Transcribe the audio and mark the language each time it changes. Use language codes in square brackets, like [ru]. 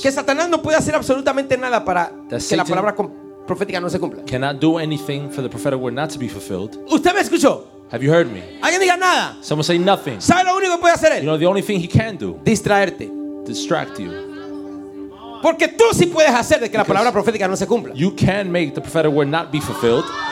[es] Que Satanás no puede hacer absolutamente nada para que la palabra profética no se cumpla. [en] Cannot do anything for the prophetic word not to be fulfilled. [es] ¿Usted me escuchó? [en] Have you heard me? [es] Alguien diga nada. [en] Someone say nothing. [es] ¿Sabe lo único que puede hacer él? [en] You know the only thing he can do. [es] Distraerte. [en] Distract you. [es] Porque tú sí puedes hacer de que la palabra profética no se cumpla. [en] You can make the prophetic word not be fulfilled.